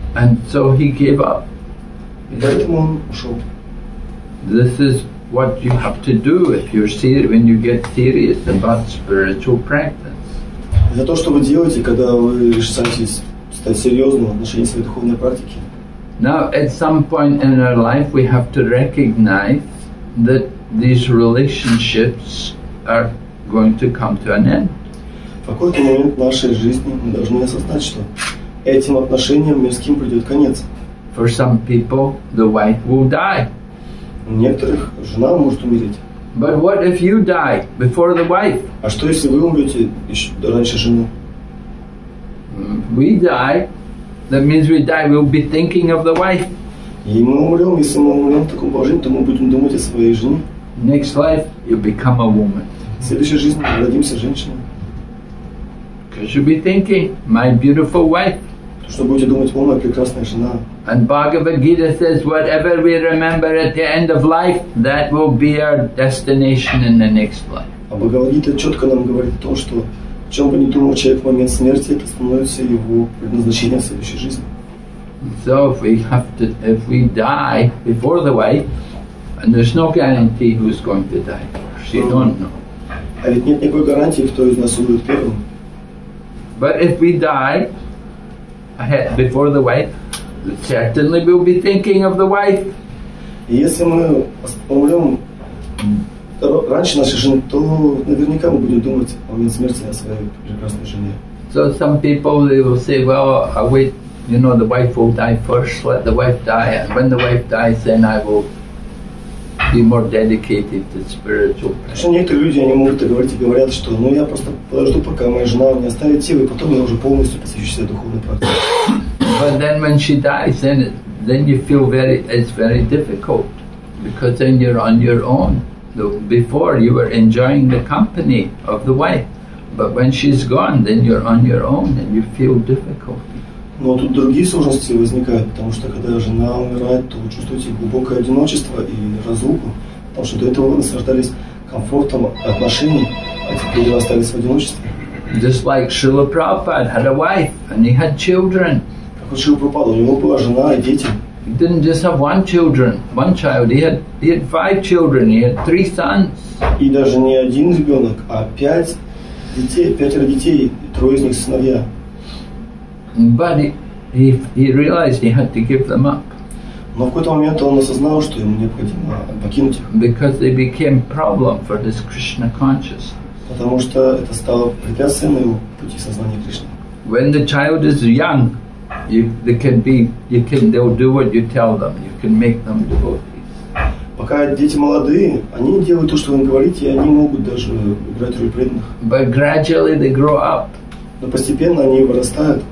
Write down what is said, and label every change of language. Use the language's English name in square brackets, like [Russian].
[English] And so he gave up. [Russian] И поэтому он ушел. [English] This is what you have to do if you're serious, when you get serious about spiritual practice. [Russian] Это то, что вы делаете, когда вы решаетесь стать серьезным в отношении своей духовной практики. [English] Now, at some point in our life, we have to recognize that these relationships are going to come to an end. [Russian] В какой-то момент нашей жизни мы должны осознать, что этим отношениям мирским придет конец. [English] For some people, the wife will die. [Russian] У некоторых жена может умереть. [English] But what if you die before the wife? [Russian] А что если вы умрете еще раньше жены? [English] We die. That means we die. We'll be thinking of the wife. [Russian] И мы умрем, если мы умрем в таком положении, то мы будем думать о своей жене. [English] Next life, you become a woman. [Russian] В следующей жизни мы родимся женщиной. [English] Because you'll be thinking, my beautiful wife. [Russian] Что будете думать, о, моя прекрасная жена. [English] And Bhagavad Gita says, whatever we remember at the end of life, that will be our destination in the next life. [Russian] А Бхагавад Гита четко нам говорит то, что о чем бы ни думал человек в момент смерти, это становится его предназначением в следующей жизни. [English] So if we die before the wife, and there's no guarantee who's going to die, she don't know. [Russian] А ведь нет никакой гарантии, кто из нас умрет первым. [English] But if we die ahead before the wife, certainly we'll be thinking of the wife. [Russian] Если мы умрем раньше нашей жены, то наверняка мы будем думать о момент смерти о своей прекрасной жене. [English] So some people they will say, well, I wait, you know, the wife will die first. Let the wife die. And when the wife dies, then I will be more dedicated to spiritual. [Russian] Что некоторые люди они могут и говорить и говорят, что ну я просто подожду, пока моя жена не оставит тело, и потом я уже полностью посвящу себя духовной практике. [English] But then when she dies, then you feel it's very difficult because then you're on your own. Before you were enjoying the company of the wife, but when she's gone, then you're on your own and you feel difficult. [Russian] Но тут другие сложности возникают, потому что когда жена умирает, то вы чувствуете глубокое одиночество и разлуку, потому что до этого вы наслаждались комфортом отношений, а теперь вы остались в одиночестве. [English] Just like Srila Prabhupada had a wife and he had children. [Russian] Как у Шрила Прабхупады, у него была жена и дети. [English] He didn't just have one child. He had five children. He had three sons. [Russian] И даже не один ребенок, а пятеро детей, и трое из них сыновья. [English] But he realized he had to give them up. [Russian] Но в какой-то момент он осознал, что ему необходимо покинуть их. [English] Because they became problem for his Krishna consciousness. [Russian] Потому что это стало препятствием на его пути сознания Кришны. [English] When the child is young, they'll do what you tell them. You can make them devotees. [Russian] Пока дети молодые, они делают то, что вы им говорите, и они могут даже играть роль преданных. [English] But gradually they grow up. [Russian] Но постепенно они вырастают.